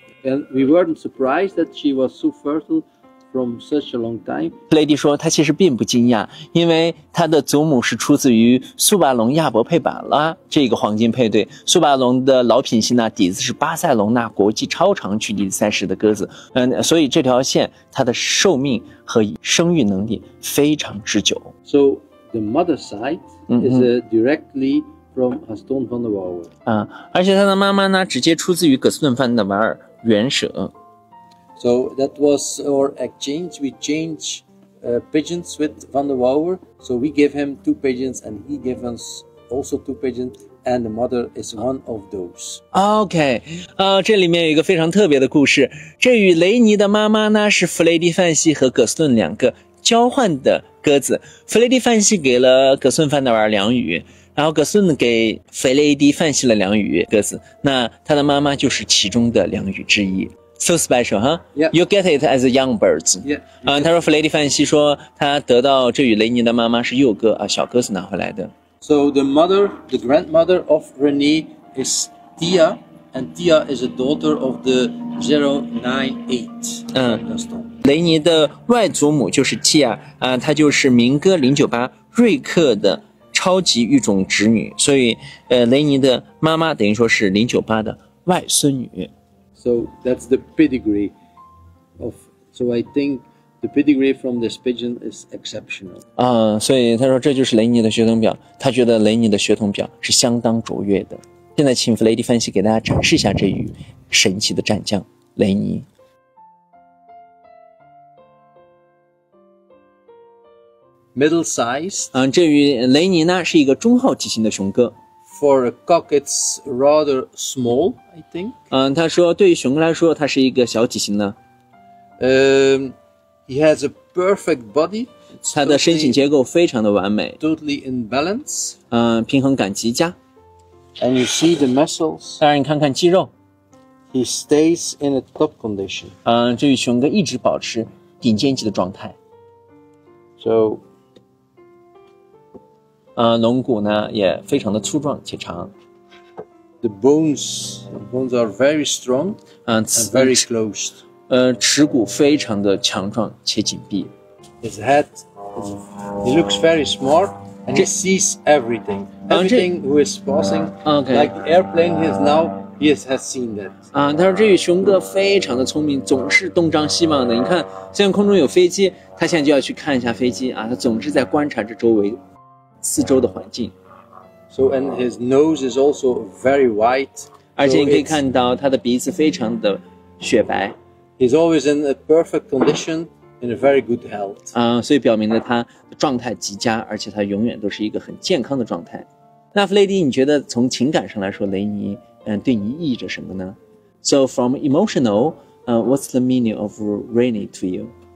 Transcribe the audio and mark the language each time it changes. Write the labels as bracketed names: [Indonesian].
[English] And we weren't surprised that she was so fertile from such a long time. [Chinese] 弗雷迪说他其实并不惊讶，因为他的祖母是出自于苏巴龙亚伯佩巴拉这个黄金配对。苏巴龙的老品系呢，底子是巴塞隆纳国际超长距离赛事的鸽子。所以这条线它的寿命和生育能力非常之久。 [English] So the mother side is directly from a stone from the wall. [Chinese] 啊，而且他的妈妈呢，直接出自于葛斯顿范德瓦尔原舍。 [English] So that was our exchange. We changed、pigeons with Van der Wouwer. So we gave him two pigeons and he gave us also two pigeons. And the mother is one of those. [Chinese] OK, 这里面有一个非常特别的故事。这与雷尼的妈妈呢是弗雷迪范西和葛斯顿两个交换的鸽子。弗雷迪范西给了葛斯顿范德瓦尔两羽，然后葛斯顿给弗雷迪范西了两羽鸽子。那他的妈妈就是其中的两羽之一。 [English] So special, huh? Yeah. You get it as young birds. Yeah. [Chinese] 他说弗雷迪范西说他得到这与雷尼的妈妈是幼鸽啊，小鸽子拿回来的。 [English] So the mother, the grandmother of René is Tia, and Tia is a daughter of the 098. [Chinese] 雷尼的外祖母就是 Tia, 她就是民歌098瑞克的超级育种侄女，所以雷尼的妈妈等于说是098的外孙女。 [English] So that's the pedigree of, so I think the pedigree from this pigeon is exceptional. [Chinese] 所以他说这就是雷尼的血统表，他觉得雷尼的血统表是相当卓越的。现在请弗雷迪分析给大家展示一下这羽神奇的战将雷尼。 [English] Middle size. [Chinese] 这羽雷尼呢是一个中号体型的雄鸽。 [English] For a cock, it's rather small, I think. [Chinese] 他说对于雄鸽来说，它是一个小体型呢。 [English] He has a perfect body. [Chinese] 他的身形结构非常的完美。 [English] Totally in balance. [Chinese] 平衡感极佳。 [English] And you see the muscles. [Chinese] 当然，你看看肌肉。 [English] He stays in a top condition. [Chinese] 这羽雄鸽一直保持顶尖级的状态。 [English] So. [Chinese] 龙骨呢也非常的粗壮且长。 [English] The bones are very strong and very closed. [Chinese] 齿骨非常的强壮且紧闭。 [English] His head looks very smart and he sees everything. Everything who is passing, like airplane, he is now, he has seen that. [Chinese] 他说这羽雄鸽非常的聪明，总是东张西望的。你看，虽然空中有飞机，他现在就要去看一下飞机啊，他总是在观察着周围。四周的环境。 [English] So and his nose is also very white. [Chinese] 而且你可以看到他的鼻子非常的雪白。 [English] He's always in a perfect condition and a very good health. [Chinese] 所以表明了他的状态极佳，而且他永远都是一个很健康的状态。那弗雷迪，你觉得从情感上来说，雷尼对你意义着什么呢 ？ [English] So from emotional, what's the meaning of Rainy to you?